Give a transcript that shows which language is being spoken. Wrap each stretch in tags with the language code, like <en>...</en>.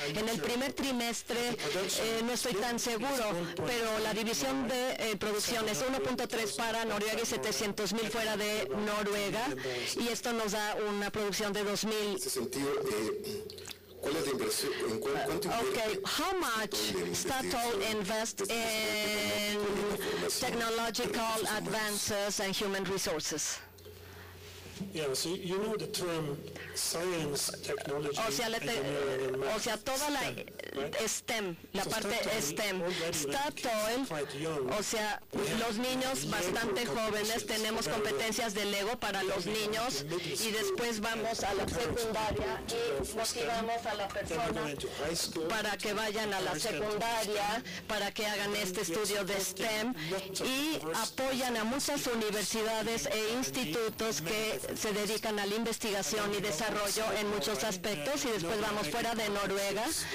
<es>En el primer trimestre no estoy tan seguro, pero la división de producción es 1.3 para Noruega y 700 mil fuera de Noruega, y esto nos da una producción de 2.000. ¿Cuál es la inversión?</es> <en>How much Statoil invest in technological advances and human resources? Yeah, so you know the term science, technology,</en> <es>o sea, toda la STEM, la parte STEM. Statoil, o sea, los niños bastante jóvenes, tenemos competencias de Lego para los niños y después vamos a la secundaria y motivamos a la persona para que vayan a la secundaria, para que hagan este estudio de STEM y apoyan a muchas universidades e institutos que se dedican a la investigación y desarrollo en muchos aspectos, y después vamos fuera de Noruega</es>